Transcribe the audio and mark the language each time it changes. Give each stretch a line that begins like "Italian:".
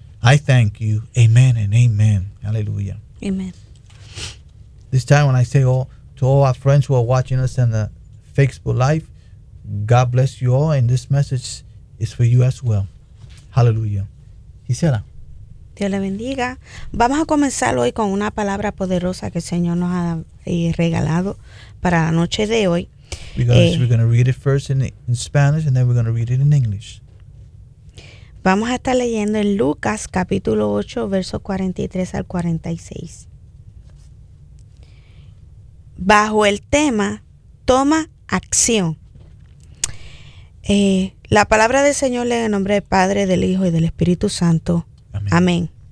English: I thank you. Amen and amen. Hallelujah. Amen. This time when I say to all our friends who are watching us on the Facebook Live, God bless you all, and this message is for you as well. Hallelujah. Gisela.
Spanish: Dios le bendiga. Vamos a comenzar hoy con una palabra poderosa que el Señor nos ha regalado para la noche de hoy.
English: We're going to read it first in Spanish and then we're going to read it in English.
Spanish: Vamos a estar leyendo en Lucas capítulo 8, versos 43 al 46. Bajo el tema, toma acción. La palabra del Señor lee en nombre del Padre, del Hijo y del Espíritu Santo. Amén. Amén.